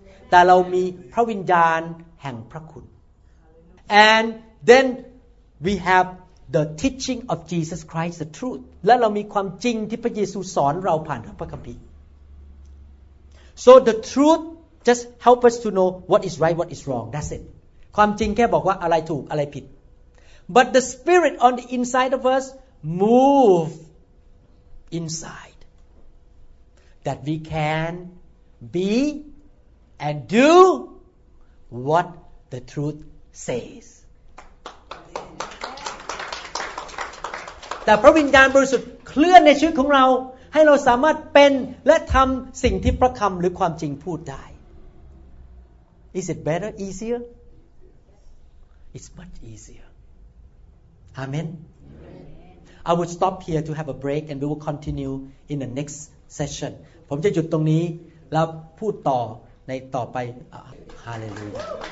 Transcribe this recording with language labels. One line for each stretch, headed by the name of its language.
Thai: แต่เรามีพระวิญญาณแห่งพระคุณ
English: And then we have the teaching of Jesus Christ the truth.
Thai: และเรามีความจริงที่พระเยซูสอนเราผ่านพระคัมภีร์
English: So the truthJust help us to know what is right, what is wrong. That's it.
Thai: ความจริงแค่บอกว่าอะไรถูกอะไรผิด
English: But the spirit on the inside of us move inside that we can be and do what the truth says.
Thai: แต่พระวิญญาณบริสุทธิ์เคลื่อนในชีวิตของเราให้เราสามารถเป็นและทำสิ่งที่พระคำหรือความจริงพูดได้
English: Is it better, easier? It's much easier. Amen. I will stop here to have a break, and we will continue in the next session.
Thai: ผมจะหยุดตรงนี้แล้วพูดต่อในต่อไป Hallelujah.